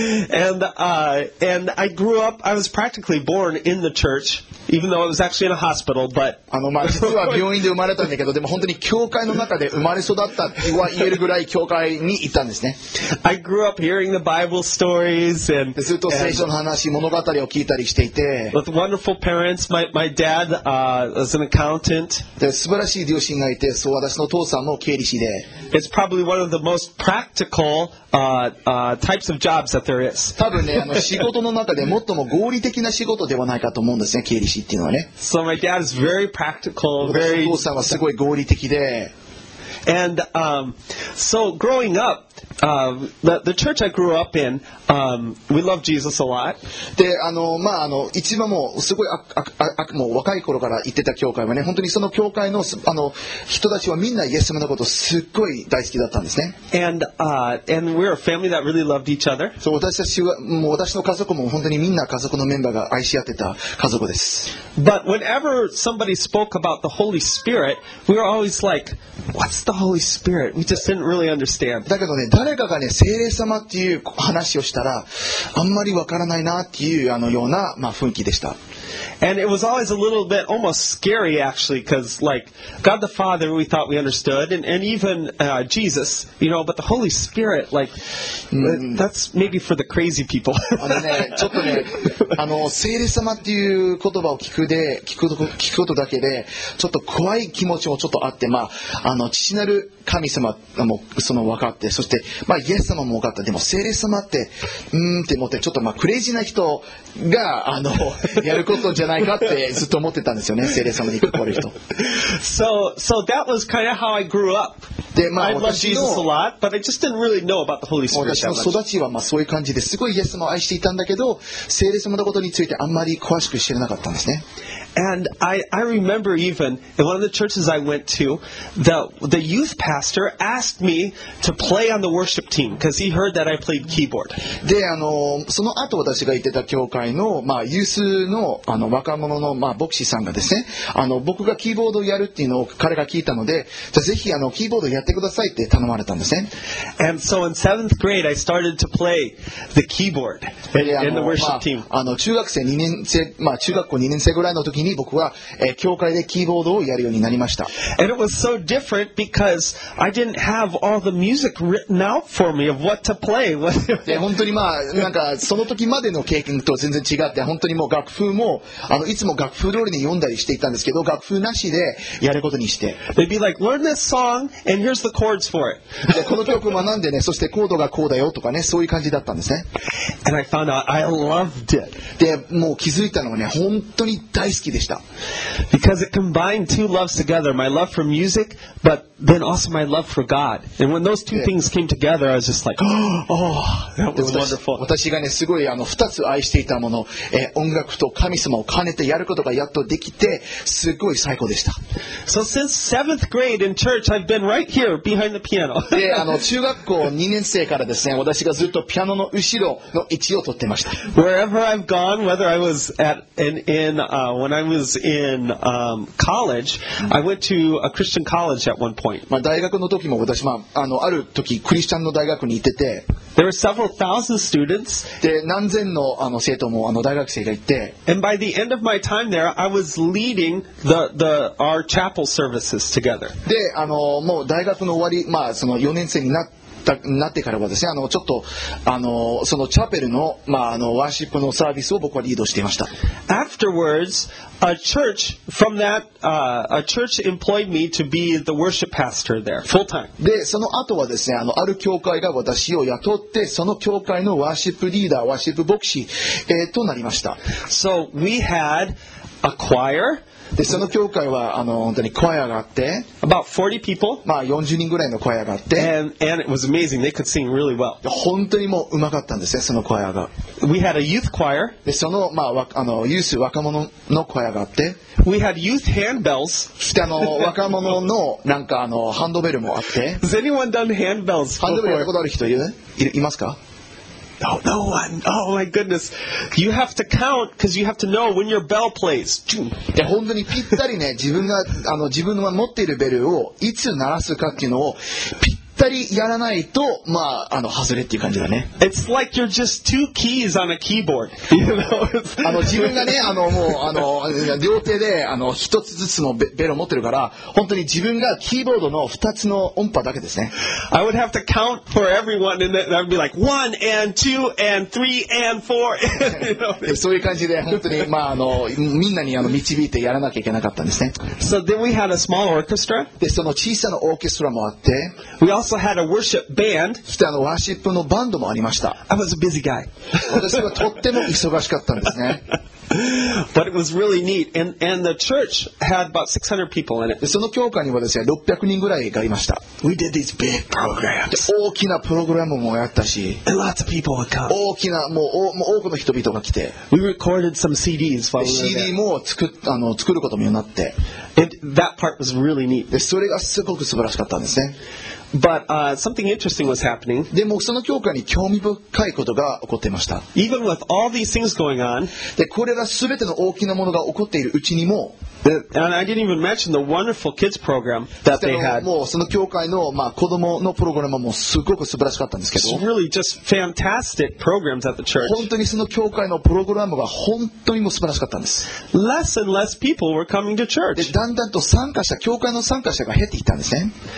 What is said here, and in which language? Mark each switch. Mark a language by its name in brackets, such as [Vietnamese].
[English] and I grew up, I was practically born in the church. Even though I was actually in a hospital, but [Japanese] あのまあ実は病院で生まれたんだけど、でも本当に教会の中で生まれ育ったとは言えるぐらい教会に行ったんですね。 [English] I grew up hearing the Bible stories and [Japanese] ずっと聖書の話、物語を聞いたりしていて。 [English] With wonderful parents, my dad was an accountant. [Japanese] で素晴らしい両親がいて、そう私の父さんも経理士で。 [English] It's probably one of the most practical types of jobs that there is. [Japanese] 多分ねあの仕事の中で最も合理的な仕事ではないかと思うんですね、経理。 [English] So my dad is very practical, very. [Japanese] お父さんはすごい合理的で。 [English] And so growing up, the church I grew up in, we loved Jesus a lot. [Japanese] で、あのまああの一番もすごいもう若い頃から行ってた教会はね、本当にその教会のあの人たちはみんなイエス様のことすっごい大好きだったんですね。 [English] And we're a family that really loved each other. [Japanese] そう、私たちはもう私の家族も本当にみんな家族のメンバーが愛し合ってた家族です。 [English] But whenever somebody spoke about the Holy Spirit, we were always like, what's the Holy Spirit. We just didn't really understand. [Japanese] だけどね、誰かがね、聖霊様っていう話をしたら、あんまりわからないなっていうあのような、まあ、雰囲気でした。 [English] And it was always a little bit almost scary, actually, because like God the Father, we thought we understood, and even Jesus, you know, but the Holy Spirit, like that's maybe for the crazy people. [Japanese] あのね、ちょっとね、あの聖霊様っていう言葉を聞くことだけで、ちょっと怖い気持ちもちょっとあって、まああの父なる神様もその分かって、そしてまあイエス様も分かった。でも聖霊様って、って思って、ちょっとまあクレイジーな人があのやることじゃないかってずっと思ってたんですよね、聖霊様に関わる人。 [English] So that was kind of how I grew up. [Japanese] で、まあ、 [English] I loved Jesus a lot, but I just didn't really know about the Holy Spirit. [Japanese] 私の育ちはまあそういう感じですごいイエス様を愛していたんだけど、聖霊様のことについてあんまり詳しく知らなかったんですね。 [English] And I remember even in one of the churches I went to, the youth pastor asked me to play on the worship team because he heard that I played keyboard. [Japanese] で、あの、その後私が行ってた教会の、まあ、ユースの、あの、若者の、まあ、牧師さんがですね、あの、僕がキーボードをやるっていうのを彼が聞いたので、じゃあぜひあのキーボードやってくださいって頼まれたんですね。 [English] And so in seventh grade, I started to play the keyboard in the worship team. [Japanese] あの、中学生2年生、まあ、中学校2年生ぐらいの時に僕は、教会でキーボードをやるようになりました。 [English] And it was so different because I didn't have all the music written out for me of what to play. [Japanese] 本当にまあ、なんかその時までの経験と全然違って、本当にもう楽譜も、あの、いつも楽譜通りに読んだりしていたんですけど、楽譜なしでやることにして。 [English] They'd be like, learn this song and here's the chords for it. [Japanese] で、この曲を学んでね、そしてコードがこうだよとかね、そういう感じだったんですね。 [English] And I found out I loved it. [Japanese] で、もう気づいたのはね、本当に大好きでした。 [English] Because it combined two loves together, my love for music, but then also my love for God. And when those two things came together, I was just like, oh, that was wonderful. [Japanese] 私がね、すごいあの、二つ愛していたもの、音楽と神様を兼ねてやることがやっとできて、すごい最高でした。 [English] So since seventh grade in church, I've been right here behind the piano. [Japanese] で、あの、中学校2年生からですね、私がずっとピアノの後ろの位置を取ってました。 [English] Wherever I've gone, whether I was at, when I was in, college, I went to a Christian college at one point. [Japanese] まあ、大学の時も私、まあ、あの、ある時、クリスチャンの大学に行ってて、 [English] There were several thousand students. [Japanese] で、何千の、あの、生徒も、あの、大学生がいて。 [English] And by the end of my time there, I was leading our chapel services together. [Japanese] で、あの、もう大学の終わり、まあ、その4年生になった、なってからはですね、あの、ちょっと、あの、そのチャペルの、まあ、あの、ワーシップのサービスを僕はリードしていました。 [English] Afterwards, a church from that, a church employed me to be the worship pastor there, full time. [Japanese] で、その後はですね、あの、ある教会が私を雇って、その教会のワーシップリーダー、ワーシップ牧師、となりました。 [English] So, we had a choir. [Japanese] で、その教会は、あの、本当に、コアがあって、 [English] About 40 people. [Japanese] まあ、40人ぐらいのコアがあって、 [English] and it was amazing. They could sing really well. [Japanese] 本当にもう上手かったんですね、そのコアが。 [English] We had a youth choir. [Japanese] で、その、まあ、あの、ユース若者のコアがあって、 [English] We had youth handbells. [Japanese] して、あの、若者の、なんか、あの、ハンドベルもあって、 [English] Has anyone done handbells before? [Japanese] ハンドベルやることある人いますか？ [English] No, no one. Oh my goodness. You have to count because you have to know when your bell plays. [Japanese] で、本当にぴったりね、自分が、あの、自分の持っているベルをいつ鳴らすかっていうのをぴったりやらないと、まあ、あの、外れっていう感じだね。 [English] It's like you're just two keys on a keyboard. [Japanese] あの、自分がね、あの、もう、あの、両手で、あの、一つずつのベルを持ってるから、本当に自分がキーボードの二つの音波だけですね。 [English] I would have to count for everyone and then I would be like, one and two and three and four. You know? [Japanese] そういう感じで、本当に、まあ、あの、みんなに、あの、導いてやらなきゃいけなかったんですね。 [English] So then we had a small orchestra. [Japanese] で、その小さなオーケストラもあって、 [English] We also had a worship band. [Japanese] そして、あの、ワーシップのバンドもありました。 [English] I was a busy guy. [Japanese] 私はとっても忙しかったんですね。 [English] But it was really neat, and the church had about 600 people in it. [Japanese] その教会にはですね、600人ぐらいがいました。 [English] We did these big programs. [Japanese] 大きなプログラムもやったし、 [English] and lots of people would come. [Japanese] 大きなもう多くの人々が来て、 [English] We recorded some CDs while we were there. [Japanese] CD も作ることもなって、 [English] and that part was really neat. [Japanese] でそれがすごく素晴らしかったんですね。 [English] But something interesting was happening. [Japanese] でもその教会に興味深いことが起こっていました。 [English] Even with all these things going on, [Japanese] でこれら全ての大きなものが起こっているうちにも、 [English] And I didn't even mention the wonderful kids program that they had. [Japanese] もうその教会の、まあ、子供のプログラムもすごく素晴らしかったんですけど。 [English] It's really just fantastic programs at the church. [Japanese] 本当にその教会のプログラムは本当にも素晴らしかったんです。 [English] Less and less people were coming to church. [Japanese] でだんだんと参加者、教会の参加者が減っていったんですね。